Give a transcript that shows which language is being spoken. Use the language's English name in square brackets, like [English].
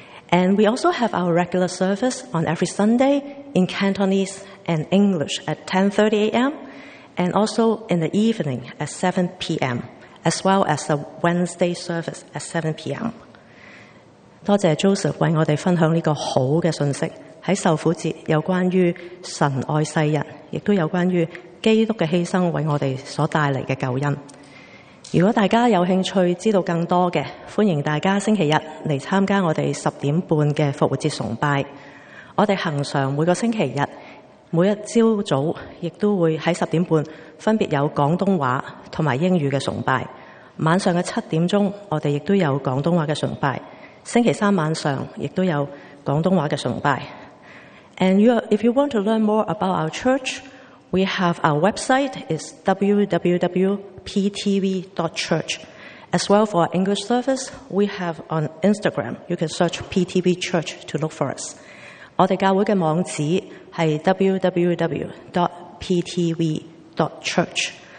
[English] And we also have our regular service on every Sunday in Cantonese and English at 10:30 a.m. and also in the evening at 7 p.m., as well as the Wednesday service at 7 p.m. [Chinese] 多謝 Joseph 為我們分享這個好的訊息，在受苦节有关于神爱世人，亦都有关于基督的牺牲为我们所带来的救恩。如果大家有兴趣知道更多的，欢迎大家星期日来参加我们10:30的复活节崇拜。我们恒常每个星期日每一朝早亦都会在10:30分别有广东话和英语的崇拜，晚上的7:00我们亦都有广东话的崇拜，星期三晚上亦都有广东话的崇拜。 [English] And if you want to learn more about our church, we have our website is www.ptv.church. As well for our English service, we have on Instagram, you can search PTV Church to look for us. [Chinese] 我们教会的网址是 www.ptv.church。